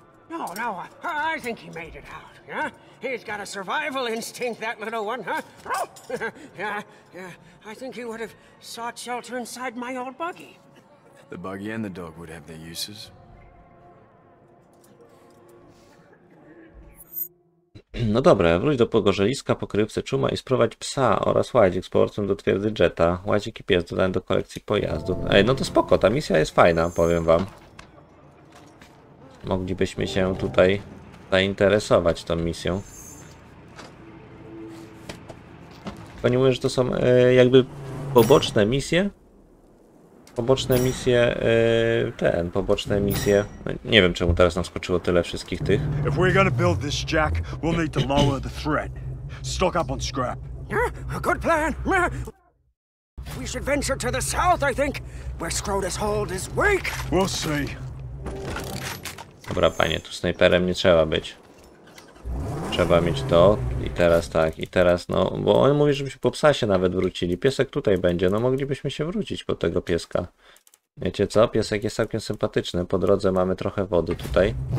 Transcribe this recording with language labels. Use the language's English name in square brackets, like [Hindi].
[English] No, no, I think he made it out, yeah? He's got a survival instinct, that little one, huh? yeah, I think he would have sought shelter inside my old buggy. The buggy and the dog would have their uses. [Polish] No dobra, wróć do pogorzeliska, pokrywce czuma i sprowadź psa oraz łazik z powrotem do twierdzy Jetta. Łazik i pies dodałem do kolekcji pojazdów. Ej, no to spoko, ta misja jest fajna, powiem wam. Moglibyśmy się tutaj zainteresować tą misją. Bo nie mówię, że to są jakby poboczne misje. Poboczne misje, ten, poboczne misje. No, nie wiem, czemu teraz nam skoczyło tyle wszystkich tych. [English] If we're gonna build this jack, we'll need to lower the threat. Stock up on scrap. A good plan. We should venture to the south, I think. Where Scrotus Hold is weak. We'll see. [Polish] Dobra, panie, tu snajperem nie trzeba być. trzeba mieć to i teraz tak, i teraz no, bo on mówi, żebyśmy po psa się nawet wrócili. Piesek tutaj będzie, no moglibyśmy się wrócić po tego pieska. Wiecie co? Piesek jest całkiem sympatyczny. Po drodze mamy trochę wody tutaj.